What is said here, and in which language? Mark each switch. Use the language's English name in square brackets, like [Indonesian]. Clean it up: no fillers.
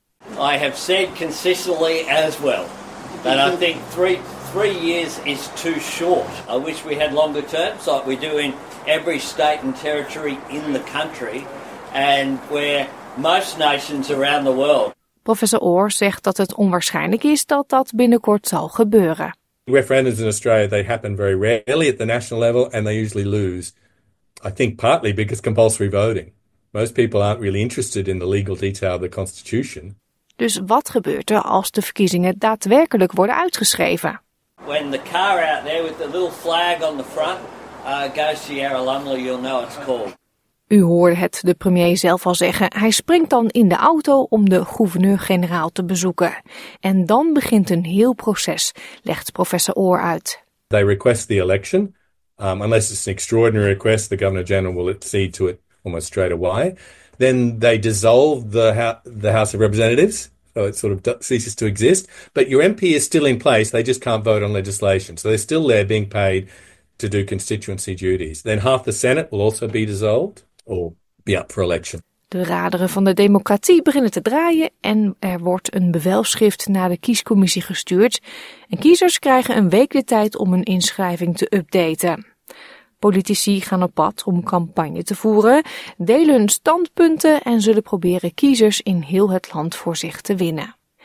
[English] I have said consistently as well that I think three years is too short. I wish we had longer terms like we do in every state and territory in the country and where most nations around the world. [Dutch] Professor Orr zegt dat het onwaarschijnlijk is dat dat binnenkort zal gebeuren. [English] Referendums in Australia, they happen very rarely at the national level and they usually lose. I think partly because compulsory voting. Most people aren't really interested in the legal detail of the constitution. [Dutch] Dus wat gebeurt er als de verkiezingen daadwerkelijk worden uitgeschreven? [English] When the car out there with the little flag on the front goes to Yarralumla, you'll know it's called. [Dutch] U hoorde het de premier zelf al zeggen. Hij springt dan in de auto om de gouverneur-generaal te bezoeken. En dan begint een heel proces, legt professor Orr uit. [English] They request the election. Unless it's an extraordinary request, the governor-general will accede to it almost straight away. Then they dissolve the House of Representatives, so it sort of ceases to exist. But your MP is still in place, they just can't vote on legislation. So they're still there being paid to do constituency duties. Then half the Senate will also be dissolved or be up for election. [Dutch] De raderen van de democratie beginnen te draaien en er wordt een bevelschrift naar de kiescommissie gestuurd. En kiezers krijgen een week de tijd om hun inschrijving te updaten. Politici gaan op pad om campagne te voeren, delen hun standpunten en zullen proberen kiezers in heel het land voor zich te winnen.